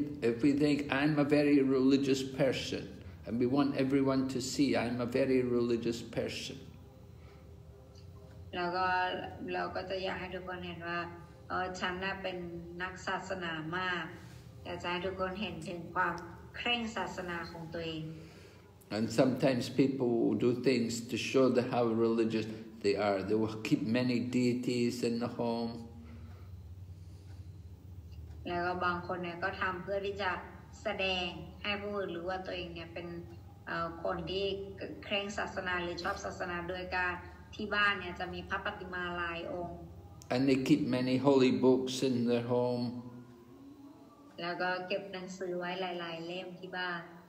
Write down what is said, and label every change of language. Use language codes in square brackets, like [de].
[en] If we think I'm a very religious person and we want everyone to see I'm a very religious person [th] เราก็จะอยากให้ทุกคนเห็นว่าฉันน่ะเป็นนักศาสนามากอยากให้ทุกคนเห็นถึงความเคร่งศาสนาของตัวเอง [en] And sometimes people will do things to show the how religious they are. They will keep many deities in the home. [th] แล้วก็บางคนเนี่ยก็ทำเพื่อที่จะแสดงให้ผู้อื่นรู้ว่าตัวเองเนี่ยเป็นคนที่เคร่งศาสนาหรือชอบศาสนาโดยการที่บ้านเนี่ยจะมีพระปฏิมาลายองค์ [en] And they keep many holy books in their home. [th] แล้วก็เก็บหนังสือไว้หลายๆเล่มที่บ้าน